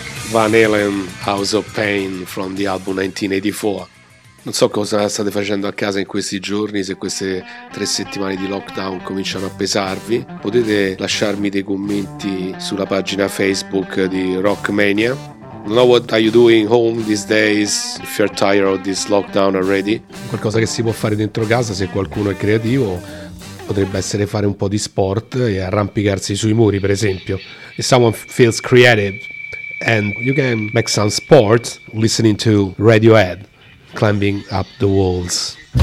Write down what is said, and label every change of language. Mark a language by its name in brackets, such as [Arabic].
[English] Van Halen, House of Pain, from the album 1984. [Italian] Non so cosa state facendo a casa in questi giorni, se queste tre settimane di lockdown cominciano a pesarvi. Potete lasciarmi dei commenti sulla pagina Facebook di Rockmania. [English] Don't know what are you doing home these days, if you're tired of this lockdown already. [Italian] Qualcosa che si può fare dentro casa, se qualcuno è creativo, potrebbe essere fare un po' di sport e arrampicarsi sui muri, per esempio. [English] If someone feels creative and you can make some sport listening to Radiohead, Climbing Up the Walls.